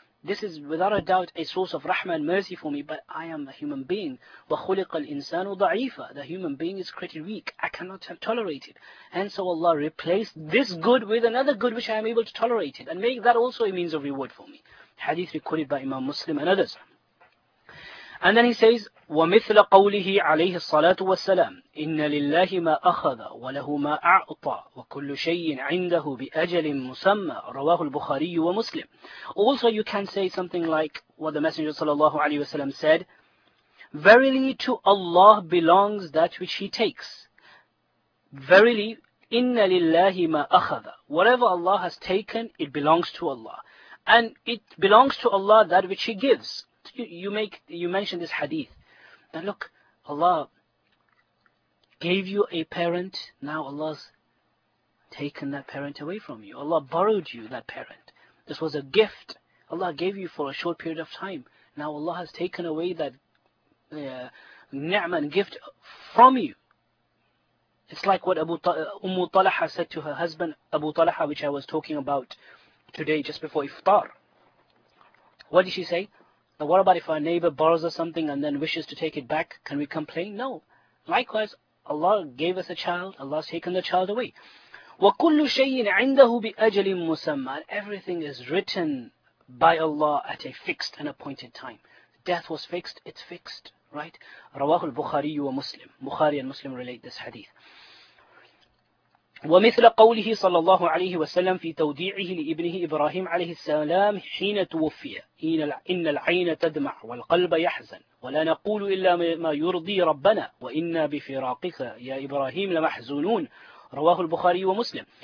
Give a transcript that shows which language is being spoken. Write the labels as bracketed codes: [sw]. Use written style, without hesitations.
[en] This is without a doubt a source of rahmah and mercy for me, but I am a human being. [ar] وَخُلِقَ الْإِنسَانُ ضَعِيفًا. [en] The human being is created weak. I cannot tolerate it. And so Allah replaced this good with another good which I am able to tolerate it. And make that also a means of reward for me. Hadith recorded by Imam Muslim and others. And then he says, [ar] وَمِثْلَ قَوْلِهِ عَلَيْهِ الصَّلَاةُ وَالسَّلَامُ إِنَّ لِلَّهِ مَا أَخَذَ وَلَهُ مَا أَعْطَى وَكُلُّ شَيْءٍ عِنْدَهُ بِأَجَلٍ مُسَمَّى رَوَاهُ الْبُخَارِيُّ وَمُسْلِمُ. [en] Also you can say something like what the Messenger sallallahu alayhi wa sallam said, verily to Allah belongs that which He takes. Verily, [ar] إِنَّ لِلَّهِ مَا أَخَذَ. [en] Whatever Allah has taken, it belongs to Allah. And it belongs to Allah that which He gives. You mention this hadith. Now look, Allah gave you a parent. Now Allah's taken that parent away from you. Allah borrowed you that parent. This was a gift Allah gave you for a short period of time. Now Allah has taken away that ni'mah and gift from you. It's like what Ummu Talha said to her husband, Abu Talha, which I was talking about today just before iftar. What did she say? Now what about if our neighbor borrows us something and then wishes to take it back? Can we complain? No. Likewise, Allah gave us a child. Allah's taken the child away. [ar] وَكُلُّ شَيْءٍ عِنْدَهُ بِأَجَلٍ مُسَمَّى. [en] Everything is written by Allah at a fixed and appointed time. Death was fixed. It's fixed. Right? [ar] رَوَاهُ الْبُخَارِيُّ وَمُسْلِمُ. [en] Bukhari and Muslim relate this hadith. [ar] ومثل قوله صلى الله عليه وسلم في توديعه لابنه ابراهيم عليه السلام حين توفي ان العين تدمع والقلب يحزن ولا نقول الا ما يرضي ربنا وانا بفراقك يا ابراهيم لمحزونون رواه البخاري ومسلم.